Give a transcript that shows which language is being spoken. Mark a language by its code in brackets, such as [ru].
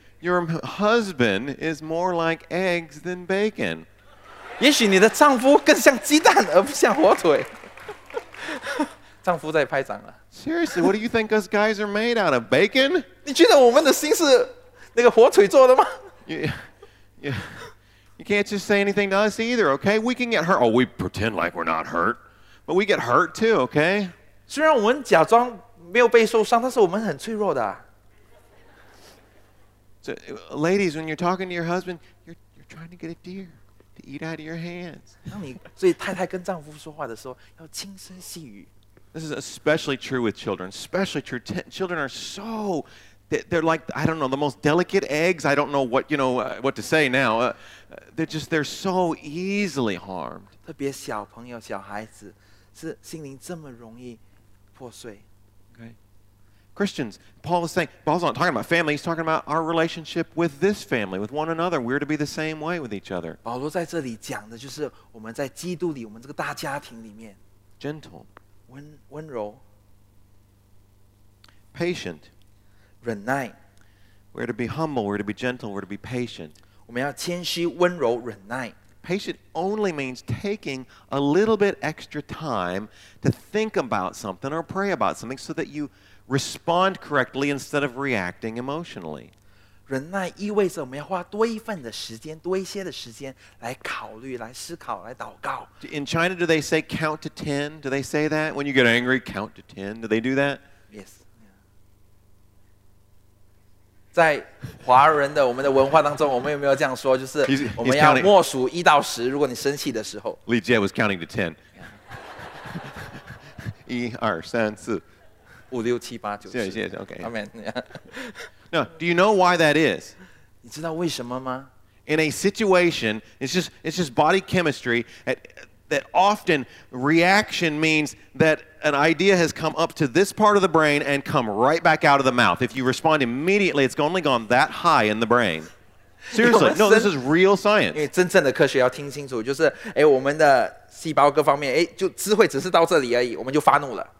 [en] Your husband is more like eggs than bacon. [zh] 也许你的丈夫更像鸡蛋，而不像火腿。丈夫在拍掌了。 [en] Seriously, what do you think us guys are made out of? Bacon? [zh] 你觉得我们的心是那个火腿做的吗？ [en] You can't just say anything to us either, okay? We can get hurt. Oh, we pretend like we're not hurt. But we get hurt too, okay? [zh] 虽然我们假装没有被受伤，但是我们很脆弱的。 [en] So, ladies, when you're talking to your husband, you're trying to get a deer to eat out of your hands. [zh] 当你对太太跟丈夫说话的时候，要轻声细语。 [en] This is especially true with children. Especially true. Children are so, they're like, I don't know, the most delicate eggs. I don't know what, you know, what to say now. They're so easily harmed. [zh] 特别小朋友、小孩子，是心灵这么容易破碎。 [en] Okay. Christians, Paul is saying, Paul's not talking about family. He's talking about our relationship with this family, with one another. We're to be the same way with each other. [zh] 保罗在这里讲的就是我们在基督里，我们这个大家庭里面。 [en] Gentle. [zh] 温柔 [en] patient [zh] 忍耐 [en] we're to be humble, we're to be gentle, we're to be patient [zh] 我们要谦虚温柔忍耐 [en] patient only means taking a little bit extra time to think about something or pray about something so that you respond correctly instead of reacting emotionally [zh] 忍耐意味着我们要花多一份的时间多一些的时间来考虑来思考来祷告 [en] In China, do they say count to 10? Do they say that? When you get angry, count to 10? Do they do that? Yes. [zh] 在华人的我们的文化当中我们有没有这样说就是我们要默数一到十如果你生气的时候 [en] Li Jie was counting to 10. [zh] 一二三四五六七八九十谢谢 OK [en] Amen Now, do you know why that is? [zh] 你知道为什么吗? [en] In a situation, it's just body chemistry, that often reaction means that an idea has come up to this part of the brain and come right back out of the mouth. If you respond immediately, it's only gone that high in the brain. Seriously, no, this is real science. [zh] 因为真正的科学要听清楚，就是哎，我们的细胞各方面，哎，就智慧只是到这里而已，我们就发怒了。